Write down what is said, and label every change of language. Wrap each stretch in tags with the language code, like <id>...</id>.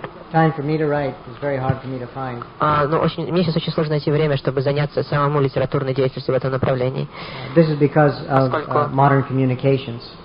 <en>Time for me to write is very hard for me to find.</en> <ru>Мне сейчас очень сложно найти время, чтобы заняться самому литературной деятельностью в этом направлении.</ru> <en>This is because of modern communications.</en>